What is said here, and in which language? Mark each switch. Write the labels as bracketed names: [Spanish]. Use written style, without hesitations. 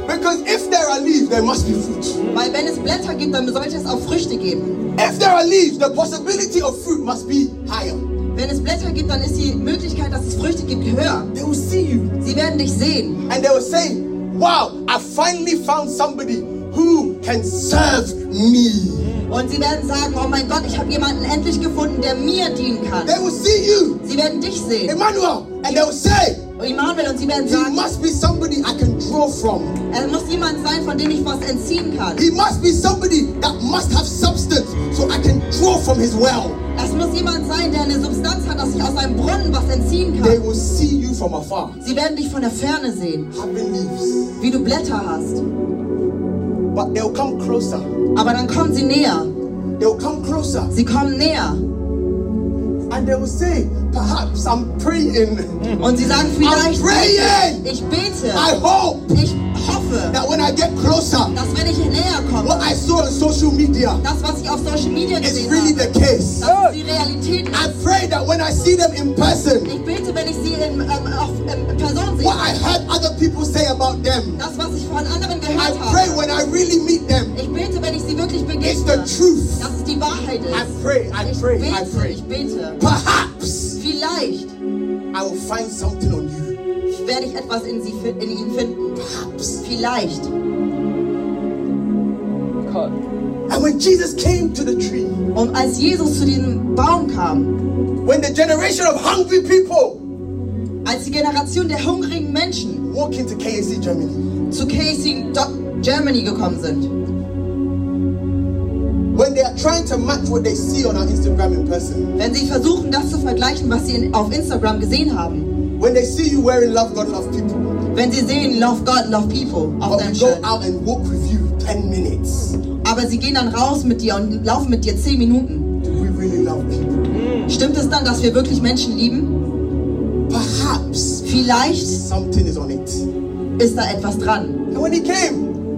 [English] Because if there are leaves, there must be fruit. [German] Weil wenn es Blätter gibt, dann sollte es auch Früchte geben. [English] If there are leaves, the possibility of fruit must be higher. [German] Wenn es Blätter gibt, dann ist die Möglichkeit, dass es Früchte gibt, höher. [English] They will see you. [German] Sie werden dich sehen. [English] And they will say, wow, I finally found somebody who can serve me. [German] Und sie werden sagen, oh mein Gott, ich habe jemanden endlich gefunden, der mir dienen kann. [English] They will see you. [German] Sie werden dich sehen. [English] Emmanuel. And they will say, [German] Emmanuel, und sie werden sagen, [English] he must be somebody I can draw from. [German] Er muss jemand sein, von dem ich was entziehen kann. [English] He must be somebody that must have substance so I can draw from his well. [German] Es muss jemand sein, der eine Substanz hat, dass ich aus einem Brunnen was entziehen kann. [English] They will see you from afar. [German] Sie werden dich von der Ferne sehen. Wie du Blätter hast. [English] But they will come closer. [German] Aber dann kommen sie näher. [English] They will come closer. [German] Sie kommen näher. [English] And they will say, perhaps I'm praying. [German] Und sie sagen, vielleicht [English] I'm praying. [German] Ich bete. [English] I hope. [German] Ich hoffe. [English] That when I get closer. [German] Dass wenn ich näher komme. [English] What I saw on social media. [German] Das was ich auf Social Media gesehen habe. [English] Is really the case. [German] Das ist die Realität. [English] I pray that when I see them in person. [German] Ich bete, wenn ich sie in Person sehe. [English] What I heard other people say about them. [German] Das was ich von anderen gehört habe. [English] I pray when I really meet them. [German] Ich bete, wenn ich sie wirklich begegne. [English] It's the truth. [German] Das ist die Wahrheit. [English] I pray. Perhaps. [German] Vielleicht. [English] I will find something on you. [German] Werde ich etwas in sie in ihnen finden. [English] Perhaps. [German] Vielleicht. [English] God. And when Jesus came to the tree. [German] Und als Jesus zu diesem Baum kam. [English] When the generation of hungry people. [German] Als die Generation der hungrigen Menschen. [English] Walk into KAC Germany. [German] Zu KAC Germany gekommen sind. [English] When they are trying to match what they see on our Instagram in person. [German] Wenn sie versuchen, das zu vergleichen, was sie auf Instagram gesehen haben. [English] When they see you wearing Love God Love People. [German] Wenn sie sehen, Love God Love People auf deinem [English] Shirt. Go out and walk with you 10 minutes. [German] Aber sie gehen dann raus mit dir und laufen mit dir 10 Minuten. [English] Do we really love people? [German] Stimmt es dann, dass wir wirklich Menschen lieben? [English] Perhaps. [German] Vielleicht. [English] Something is on it. [German] Ist da etwas dran? [English] And when he came.